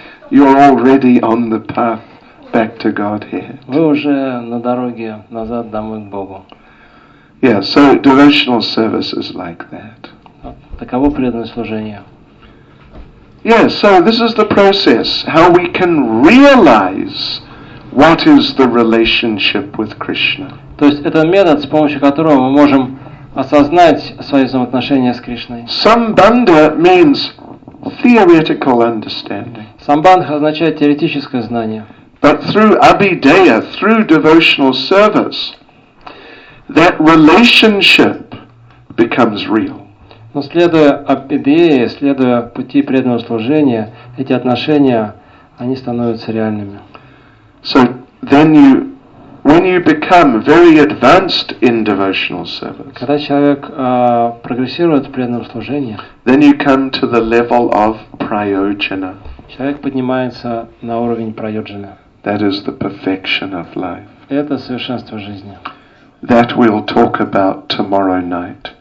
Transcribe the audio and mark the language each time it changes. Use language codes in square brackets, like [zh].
[en] You're already on the path back to Godhead. [ru] Вы уже на дороге назад домой к Богу. [en] Yeah, so devotional service is like that. [ru] Таково преданное служение. [en] Yeah, so this is the process how we can realize what is the relationship with Krishna. [ru] То есть это метод, с помощью которого мы можем осознать свои взаимоотношения с Кришной. [en] Sambandha means theoretical understanding. [ru] Sambandha означает теоретическое знание. [en] But through Abhideya, through devotional service, that relationship becomes real. [ru] Но следуя Абхидее, следуя пути преданного служения, эти отношения, они становятся реальными. [en] So then you, when you become very advanced in devotional service, [ru] когда человек прогрессирует в преданном служении, [en] then you come to the level of prayojana. [ru] Человек поднимается на уровень прайоджана. [en] That is the perfection of life. [ru] Это совершенство жизни. [en] That we'll talk about tomorrow night.